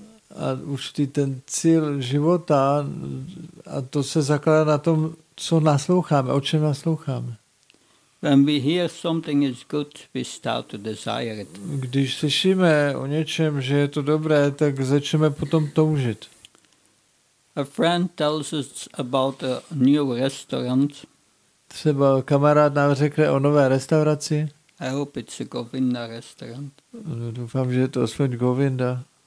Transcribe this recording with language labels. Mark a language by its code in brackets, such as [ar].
[cs] A určitý ten cíl života, a to se zakládá na tom, co nasloucháme, o čem nasloucháme. [en] When we hear something is good, we start to desire it. [cs] Když slyšíme o něčem, že je to dobré, tak začneme potom toužit. [en] A friend tells us about a new restaurant. [cs] Třeba kamarád nám řekne o nové restauraci. [en] I hope it's a Govinda restaurant. [cs] Doufám, že je to aspoň Govinda.